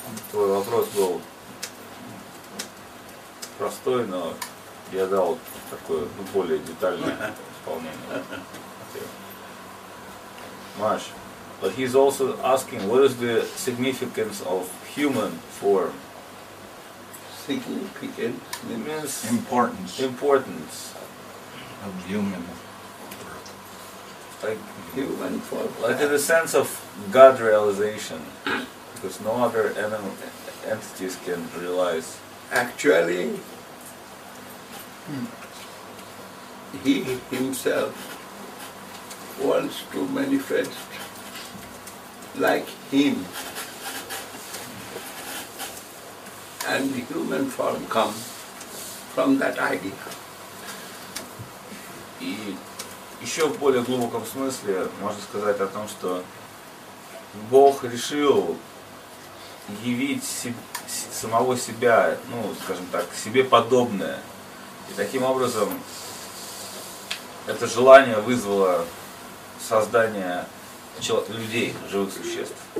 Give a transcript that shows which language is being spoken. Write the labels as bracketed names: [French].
[Russian] Твой вопрос был простой, но я дал такое, ну, более детальное исполнение. [English] Маш, but he's also asking, what is the significance of human form? Significance means importance of human. Like in the sense of God realization, because no other animal entities can realize. Actually, he himself wants to manifest like him, and the human form comes from that idea. [Russian] Еще в более глубоком смысле можно сказать о том, что Бог решил явить самого себя, ну, скажем так, себе подобное. И таким образом это желание вызвало создание людей, живых существ.